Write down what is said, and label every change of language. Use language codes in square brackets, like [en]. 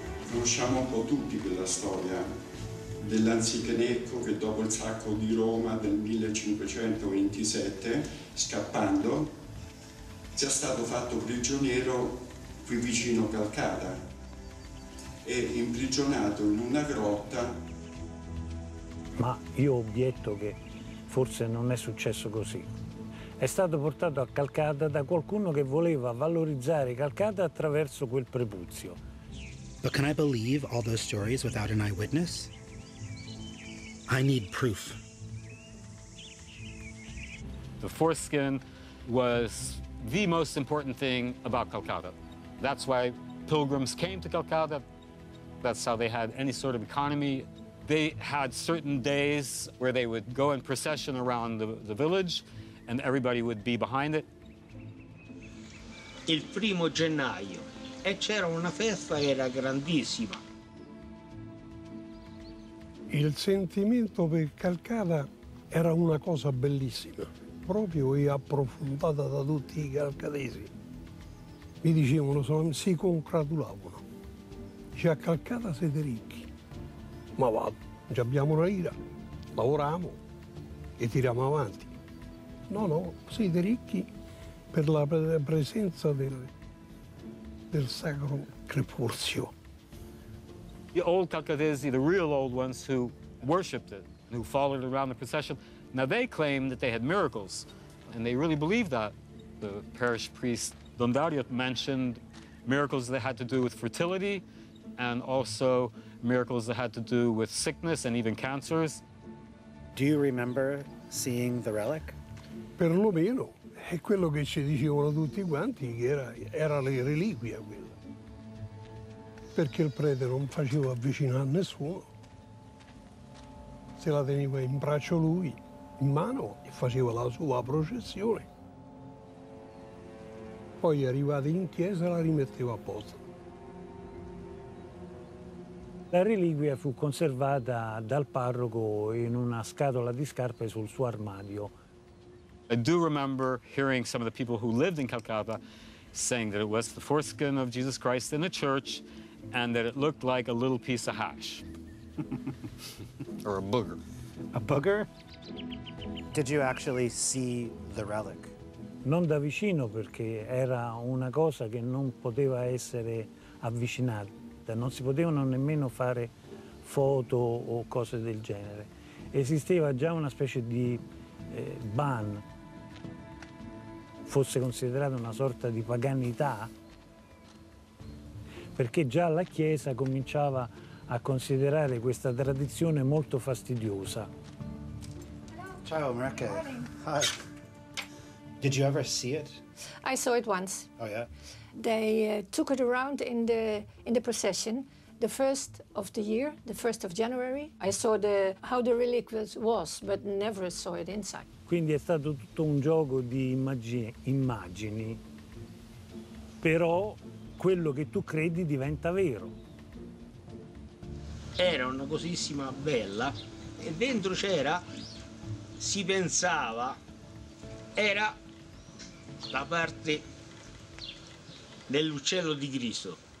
[it] Conosciamo un po' tutti quella storia dell'Anzichenecco che dopo il sacco di Roma del 1527, scappando, sia stato fatto prigioniero qui vicino Calcata e imprigionato in una grotta. Ma io obietto che forse non è successo così. È stato portato a Calcata da qualcuno che voleva valorizzare Calcata attraverso quel prepuzio. [en] But can I believe all those stories without an eyewitness? I need proof. The foreskin was the most important thing about Calcutta. That's why pilgrims came to Calcutta. That's how they had any sort of economy. They had certain days where they would go in procession around the village, and everybody would be behind it. [it] Il primo gennaio, e c'era una festa che era grandissima. Il sentimento per Calcutta era una cosa bellissima, proprio e approfondita da tutti I calcadesi. Mi dicevano, si congratulavano. Già a Calcutta siete ricchi. Ma va, già abbiamo una lira, lavoriamo e tiriamo avanti. No, no, siete ricchi per la presenza del sacro crepuscio. [en] The old Calcuttesi, the real old ones who worshipped it, who followed around the procession, now they claimed that they had miracles, and they really believed that. The parish priest Dondario mentioned miracles that had to do with fertility, and also miracles that had to do with sickness and even cancers. Do you remember seeing the relic? [it] Per lo meno, è quello che ci dicevano tutti quanti, che era la reliquia quella. Perché il prete non faceva avvicinare nessuno. Se la teneva in braccio lui, in mano, e faceva la sua processione. Poi arrivati in chiesa la rimetteva a posto. La reliquia fu conservata dal parroco in una scatola di scarpe sul suo armadio. [en] I do remember hearing some of the people who lived in Calcutta saying that it was the foreskin of Jesus Christ in the church and that it looked like a little piece of hash. Or a booger. A booger? Did you actually see the relic? [it] Non da vicino perché era una cosa che non poteva essere avvicinata. Non si potevano nemmeno fare foto o cose del genere. Esisteva già una specie di ban, fosse considerata una sorta di paganità, perché già la Chiesa cominciava a considerare questa tradizione molto fastidiosa. [en] Ciao, Marike. Hi. Did you ever see it? I saw it once. Oh, yeah? They took it around in the procession, the first of the year, the 1st of January. I saw how the relic was, but never saw it inside. [it] Quindi è stato tutto un gioco di immagini. Però quello che tu credi diventa vero. Era una cosissima bella e dentro c'era, si pensava, era la parte dell'uccello di Cristo.